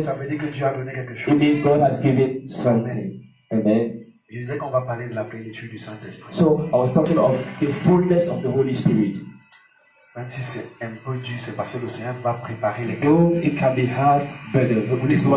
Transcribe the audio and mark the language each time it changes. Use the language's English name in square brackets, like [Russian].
[French] Ça veut dire que Dieu a donné quelque chose. [English] It means God has given something. Amen. [French] Je disais qu'on va parler de la plénitude du Saint-Esprit. [English] So I was talking of the fullness of the Holy Spirit. [French] Même si c'est un peu dur, c'est parce que le Seigneur va préparer les cœurs. [English] Though it can be hard, but the Holy Spirit